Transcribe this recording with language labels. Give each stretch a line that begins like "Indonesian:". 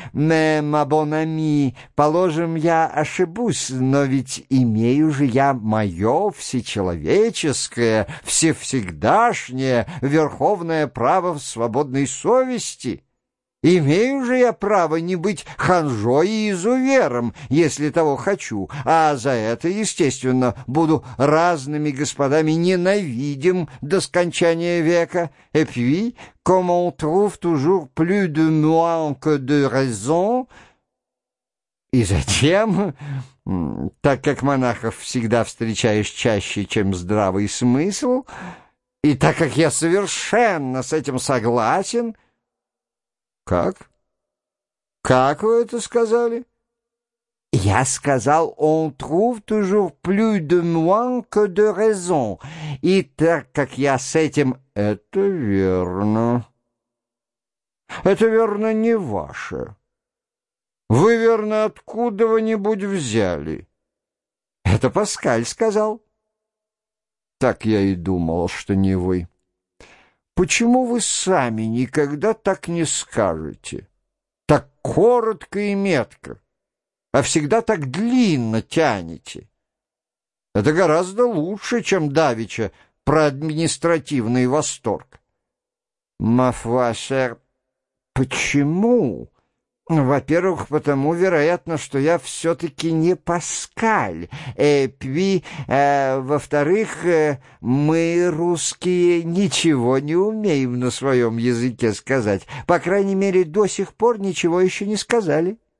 French: Mais, ma bonne amie,
Russian: положим, я ошибусь, но ведь имею же я мое всечеловеческое, всевсегдашнее, верховное право в свободной совести. Имею же я право не быть ханжой и изувером, если того хочу, а за это, естественно, буду разными господами ненавидим до скончания века.
French: Et puis, comme on trouve toujours plus de moins que de raison.
Russian: И затем, так как монахов всегда встречаешь чаще, чем здравый смысл, и так как я совершенно с этим согласен... Как? Как вы это сказали? Я сказал,
French: on trouve toujours plus de moins que de raison.
Russian: И так как я с этим... Это верно. Это верно не ваше. Вы верно откуда вы нибудь взяли? Это Паскаль сказал. Так я и думал, что не вы. Почему вы сами никогда так не скажете? Так коротко и метко, а всегда так длинно тянете. Это гораздо лучше, чем давеча про административный восторг.
French: Ma foi, cher,
Russian: почему? Во-первых, потому, вероятно, что я все-таки не Паскаль. Во-вторых, мы, русские, ничего не умеем на своем языке сказать. По крайней мере, до сих пор ничего еще не сказали.